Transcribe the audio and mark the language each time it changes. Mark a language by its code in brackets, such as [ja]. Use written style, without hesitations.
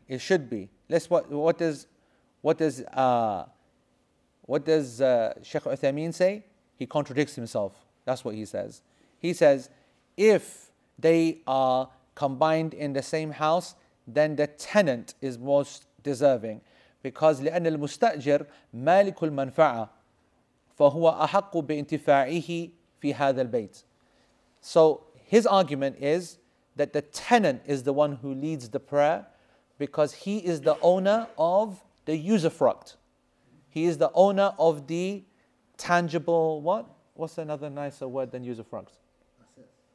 [en] It should be. Let's what does Sheikh Uthaymeen say? He contradicts himself. That's what he says. He says if they are combined in the same house, then the tenant is most deserving. Because [ar] لأن المستأجر مالك المنفعة فهو أحق بانتفاعه في هذا البيت. [en] So his argument is that the tenant is the one who leads the prayer because he is the owner of the usufruct. He is the owner of the tangible, what? What's another nicer word than use of frogs? Asset.